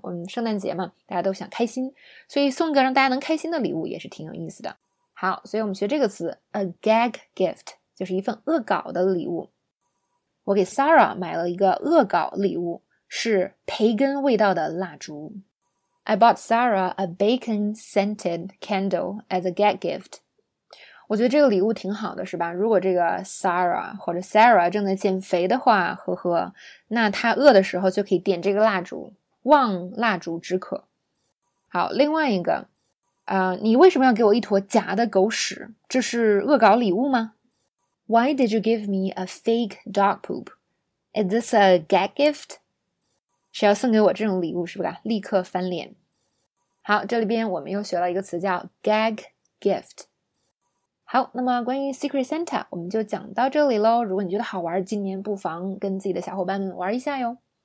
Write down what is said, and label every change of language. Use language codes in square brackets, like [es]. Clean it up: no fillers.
[zh] 我们圣诞节嘛，大家都想开心，所以送个让大家能开心的礼物也是挺有意思的。好，所以我们学这个词，a gag gift 就是一份恶搞的礼物。我给 Sarah 买了一个恶搞礼物，是培根味道的蜡烛。 [en] I bought Sarah a bacon scented candle as a gag gift。 [zh] 我觉得这个礼物挺好的，是吧？如果这个 Sarah 或者 Sarah 正在减肥的话，呵呵，那她饿的时候就可以点这个蜡烛，望蜡烛止渴。好，另外一个，你为什么要给我一坨假的狗屎？这是恶搞礼物吗？ [en] Why did you give me a fake dog poop? Is this a gag gift? [zh] 谁要送给我这种礼物，是不是？立刻翻脸。好，这里边我们又学了一个词叫 gag gift。好，那么关于 Secret Santa，我们就讲到这里喽。如果你觉得好玩，今年不妨跟自己的小伙伴们玩一下哟。